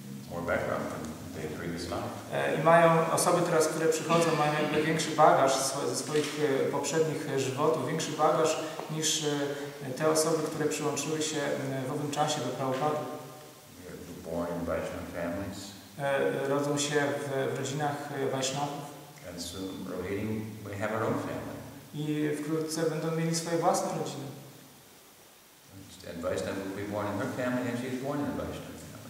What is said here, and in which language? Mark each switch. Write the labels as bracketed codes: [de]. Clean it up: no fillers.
[en] More background than they previously had. [pl] I mają osoby teraz, które przychodzą, mają jakby większy bagaż ze swoich poprzednich żywotów, większy bagaż niż te osoby, które przyłączyły się w owym czasie do Prabhupady. [en] Born in Vaishnava families. [pl] Rodzą się w rodzinach Vaishnava. [en] And soon Rohini will have her own family. [pl] I wkrótce będą mieli swoje własne rodziny. [en] And Vaishnava will be born in her family and she's born in a Vaishnava family.